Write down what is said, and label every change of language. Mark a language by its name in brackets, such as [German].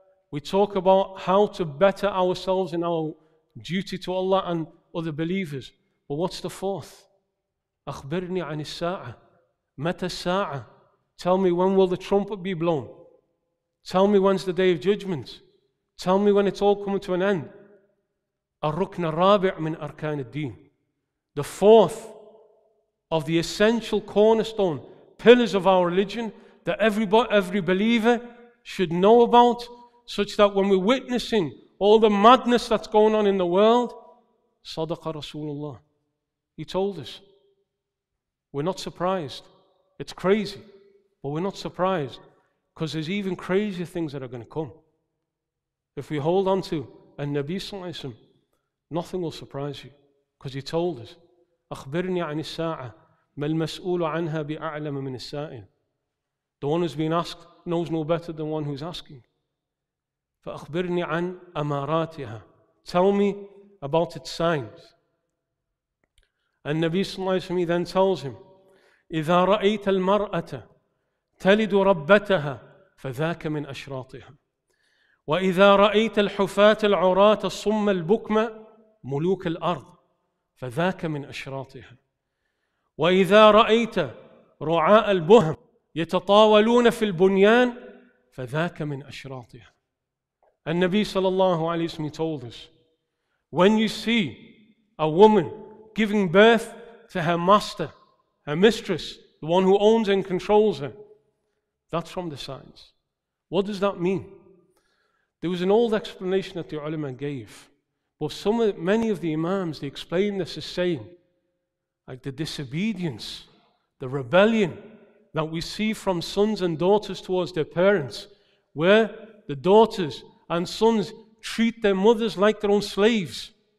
[English] We talk about how to better ourselves in our duty to Allah and other believers. But what's the fourth? [Arabic] أخبرني عن الساعة. متى الساعة? [English] Tell me, when will the trumpet be blown? Tell me, when's the day of judgment? Tell me when it's all coming to an end. [Arabic] الركن الرابع من أركان الدين. [English] The fourth of the essential cornerstone pillars of our religion that every believer should know about, such that when we're witnessing all the madness that's going on in the world, [Arabic] صدق رسول الله. [English] He told us. We're not surprised. It's crazy. But we're not surprised, because there's even crazier things that are going to come. If we hold on to a Nabi sallallahu alayhi wa sallam, nothing will surprise you, because he told us. [Arabic] أخبرني عن الساعة ما المسؤول عنها بأعلم من السائل. [English] The one who's been asked knows no better than one who's asking. [Arabic] فأخبرني عن أماراتها. [English] Tell me about its signs. And Nabi sallallahu alayhi wa sallam then tells him, [Arabic] إذا رأيت المرأة تلد ربتها فذاك من أشراطها وإذا رأيت الحفاة العراة الصم البكمة ملوك الأرض فذاك من أشراطها وإذا رأيت رعاء البهم يتطاولون في البنيان فذاك من أشراطها. النبي صلى الله عليه وسلم [English] told us, when you see a woman giving birth to her master, her mistress, the one who owns and controls her, that's from the signs. What does that mean? There was an old explanation that the ulama gave. Well, many of the imams, they explain this as saying, like the disobedience, the rebellion that we see from sons and daughters towards their parents, where the daughters and sons treat their mothers like their own slaves.